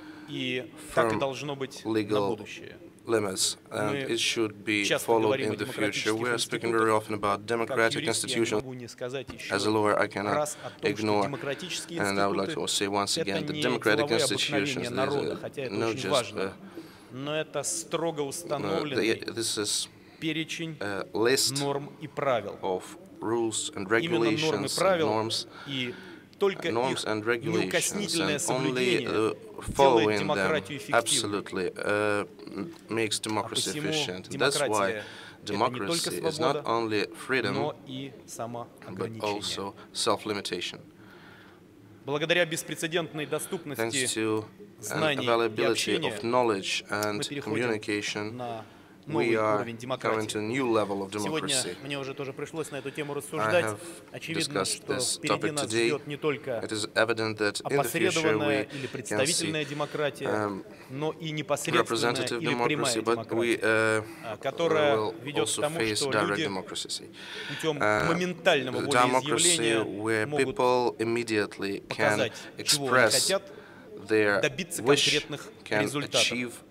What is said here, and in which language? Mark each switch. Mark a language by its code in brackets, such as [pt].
[ru] и так и должно быть на будущее. [en] Limits and мы it should be followed in the future. We are speaking very often about democratic institutions. As a lawyer, I cannot ignore, and I would like to say once again, the democratic institutions are not just this is a list of rules and regulations, norms. Norms and regulations, and only following them absolutely makes democracy efficient. That's why democracy is not only freedom, but also self-limitation. [ru] Благодаря беспрецедентной доступности знаний и общения, [en] thanks to an availability of knowledge and communication, we are coming to a new level of democracy. [ru] Сегодня мне уже тоже пришлось на эту тему рассуждать. Очевидно, что впереди нас ждет не только опосредованная или представительная демократия, но и непосредственная или прямая демократия, которая ведет к тому, что люди путем моментального волеизъявления могут показать, чего они хотят, добиться конкретных результатов.